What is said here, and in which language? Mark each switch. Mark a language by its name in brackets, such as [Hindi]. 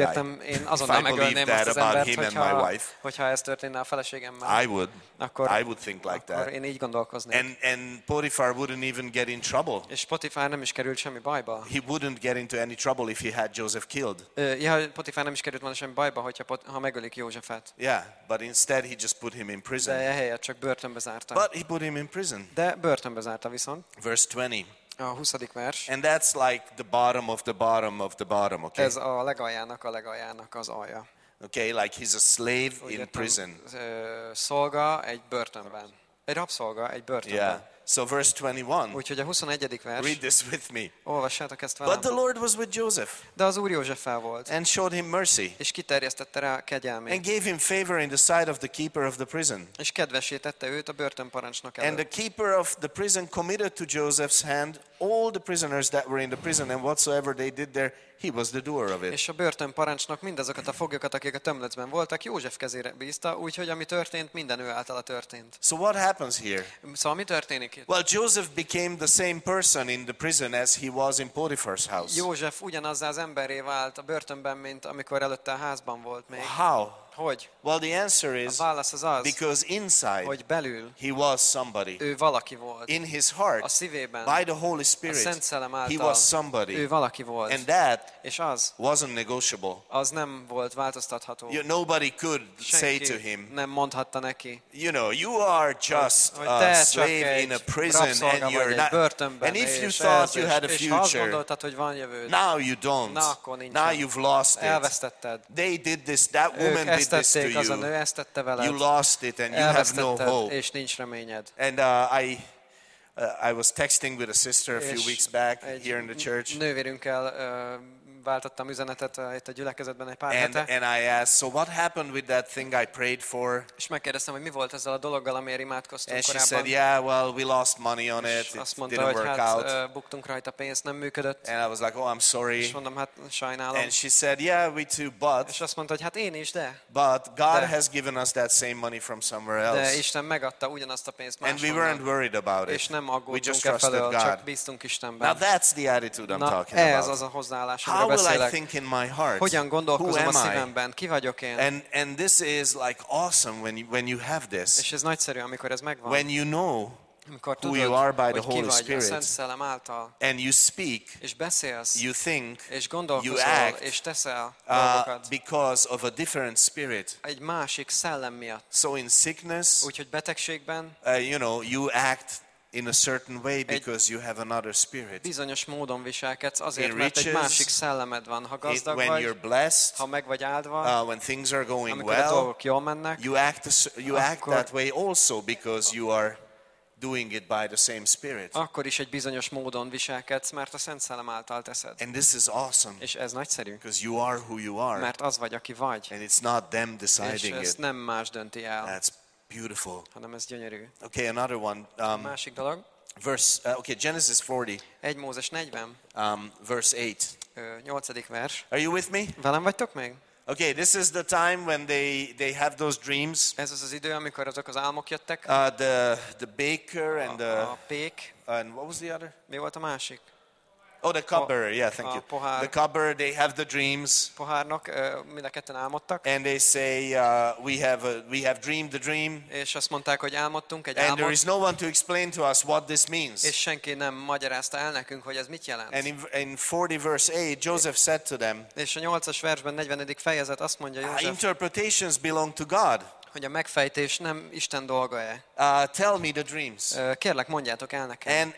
[Hungarian] Értem, én azonnal megölném azt az embert, hogyha ez történne a feleségemmel. [English] I would. [Hungarian] Akkor [English] I would think like that. [Hungarian] Én így gondolkoznék. [English] And Potiphar wouldn't even get in trouble. [Hungarian] És Potiphar nem is került semmi bajba. [English] He wouldn't get into any trouble if he had Joseph killed. [Hungarian] Potiphar nem is került volna semmi bajba, ha megölik Józsefet. [English] Yeah, but instead he just put him in prison. [Hungarian] De helyett csak börtönbe zárta. [English] But he put him in prison. [Hungarian] De börtönbe zárta viszont. [English] Verse 20. [Hungarian] A 20. vers. [English] And that's like the bottom of the bottom of the bottom, okay? [Hungarian] Ez a legaljának az alja. [English] Okay, like he's a slave in prison. [Hungarian] Szolga egy börtönben. Egy rabszolga egy börtönben. [English] Yeah. So verse 21. [Hungarian] Úgyhogy a 21. vers. [English] Read this with me. [Hungarian] Olvassátok ezt velem. [English] But the Lord was with Joseph. [Hungarian] De az Úr Józseffel volt. [English] And showed him mercy. [Hungarian] És kiterjesztette rá kegyelmét. [English] And gave him favor in the sight of the keeper of the prison. [Hungarian] És kedvessé tette őt a börtönparancsnok előtt. [English] And the keeper of the prison committed to Joseph's hand all the prisoners that were in the prison and whatsoever they did there, he was the doer of it. [Hungarian] És a börtönparancsnok mindazokat a foglyokat, akik a tömlöcben voltak, József kezére bízta, úgyhogy ami történt, minden ő általa történt. [English] So what happens here? [Hungarian] Szóval mi történik itt? [English] Well, Joseph became the same person in the prison as he was in Potiphar's house. [Hungarian] József ugyanaz az emberré vált a börtönben, mint amikor előtte a házban volt még. [English] How? [Hungarian] Hogy? [English] Well, the answer is because inside, [Hungarian] hogy belül, [English] he was somebody. [Hungarian] Ő valaki volt. [English] In his heart, [Hungarian] a szívében, [English] by the Holy Spirit, [Hungarian] a Szent Szellem által, [English] he was somebody. [Hungarian] Ő valaki volt. [English] And that, [Hungarian] és az, [English] wasn't negotiable. [Hungarian] Az nem volt változtatható. [English] You, nobody could [Hungarian] senki [English] say to him, [Hungarian] nem mondhatta neki, [English] you know, you are just a slave in a prison, and you're not. [Hungarian] Börtönben, [English] and if you thought you had a future, [Hungarian] és gondoltad, hogy van jövőd, [English] now you don't. [Hungarian] Na, akkor nincs. [English] Now you've lost it. [Hungarian] Elvesztetted. [English] They did this. That woman did. [Hungarian] Az a nő ezt tette veled. [English] You lost it and you have no hope. [Hungarian] És nincs reményed. [English] And I was texting with a sister a few weeks back here in the church. [Hungarian] Nővérünkkel váltottam üzenetet itt a gyülekezetben egy pár hete. [English] And I asked, so what happened with that thing I prayed for? [Hungarian] És megkérdeztem, hogy mi volt ezzel a dologgal, amiért imádkoztunk korábban. [English] And she said, yeah, well, we lost money on it. [Hungarian] Azt mondta, hogy hát buktunk rajta, pénz nem működött. [English] And I was like, oh, I'm sorry. [Hungarian] És mondom, hát sajnálom. [English] And she said, yeah, we too, but. [Hungarian] És azt mondta, hogy hát én is, de. [English] But God has given us that same money from somewhere else. [Hungarian] De Isten megadta ugyanazt a pénzt máshonnan. [English] And we weren't worried about it. [Hungarian] És nem aggódtunk efelől, csak bíztunk Istenben. [English] Now that's the attitude I'm talking about. [Hungarian] Ez az a hozzáállás. [English] Will I think in my heart? [Hungarian] Hogyan gondolkozom a szívemben? Ki vagyok én? [English] And this is like awesome when you have this. [Hungarian] És ez nagyszerű, amikor ez megvan. [English] When you know who you are by the Holy Spirit, and you speak, [Hungarian] és beszélsz, [English] you think, [Hungarian] és gondolkozol, [English] you act, [Hungarian] és teszel, [English] because of a different spirit. [Hungarian] Egy másik szellem miatt. [English] So in sickness, [Hungarian] úgyhogy betegségben, [English] you know, you act in a certain way because you have another spirit. [Hungarian] Bizonyos módon viselkedsz azért, mert egy másik szellemed van. Ha gazdag vagy, [English] when you're blessed, [Hungarian] ha meg vagy áldva, [English] when things are going well, [Hungarian] amikor a dolgok jól mennek, [English] you act that way also because you are doing it by the same spirit. [Hungarian] Akkor is egy bizonyos módon viselkedsz, mert a Szent Szellem által teszed. [English] And this is awesome. [Hungarian] És ez nagyszerű. [English] Because you are who you are. [Hungarian] Mert az vagy, aki vagy. [English] And it's not them deciding it. [Hungarian] És ezt nem más dönti el. [English] That's beautiful. [Hungarian] Hanem ez gyönyörű. [English] Okay, another one. [Hungarian] Másik dolog. [English] Verse, okay, Genesis 40. [Hungarian] 1 Mózes 40. [English] Verse 8. [Hungarian] 8. vers. [English] Are you with me? [Hungarian] Velem vagytok még? [English] Okay, this is the time when they have those dreams. [Hungarian] Ez az idő, amikor azok az álmok jöttek. [English] The baker and the [Hungarian] pék. [English] And what was the other? [Hungarian] Mi volt a másik? [English] Oh, the cupbearer, yeah, thank you. [Hungarian] Pohár. [English] The cupbearer, they have the dreams. [Hungarian] Pohárnok, mind a ketten álmodtak. [English] And they say, we have dreamed the dream. [Hungarian] És azt mondták, hogy álmodtunk egy [English] and [Hungarian] álmot. [English] There is no one to explain to us what this means. [Hungarian] És senki nem magyarázta el nekünk, hogy ez mit jelent. [English] And in 40 verse 8, Joseph said to them, [Hungarian] és a 8-as versben, 40. fejezet, azt mondja József, [English] interpretations belong to God. [Hungarian] hogy a megfejtés nem Isten dolga-e. [English] Tell me the dreams. [Hungarian] Kérlek, mondjátok el nekem.